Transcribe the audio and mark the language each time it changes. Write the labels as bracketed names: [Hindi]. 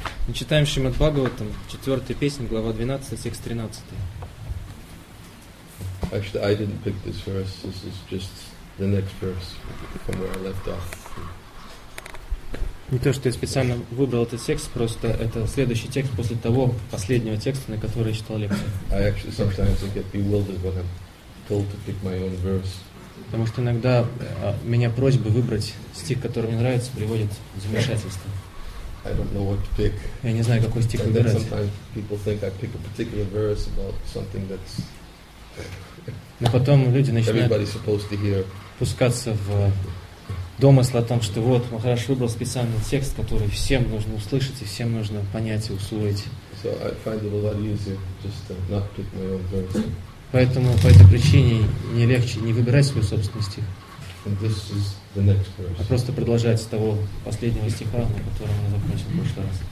[Russian] Мы читаем Шримад Бхагаватам, 4 песня, глава 12, текст 13. [English] Actually, I didn't pick this verse. This is just the next verse from where I left off. [Russian] Не то, что я специально выбрал этот текст, просто это следующий текст после того последнего текста, на который я читал лекцию. [English] I actually sometimes get bewildered when I'm told to pick my own verse. [Russian] Потому что иногда меня просьба выбрать стих, который мне нравится, приводит в замешательство. [English] I don't know what to pick. [Russian] Я не знаю, какой стих [English] and [Russian] выбирать. [English] And then sometimes people think I pick a particular verse about something that's. [Russian] Но потом люди начинают. [English] Everybody's supposed to hear. [Russian] Пускаться в домыслы о том, что вот Махараш выбрал специальный текст, который всем нужно услышать и всем нужно понять и усвоить. [English] So I find it a lot easier just to not pick my own verse. [Russian] Поэтому по этой причине мне легче не выбирать свой собственный стих, а просто продолжать с того последнего стиха, на котором я закончил в прошлый раз.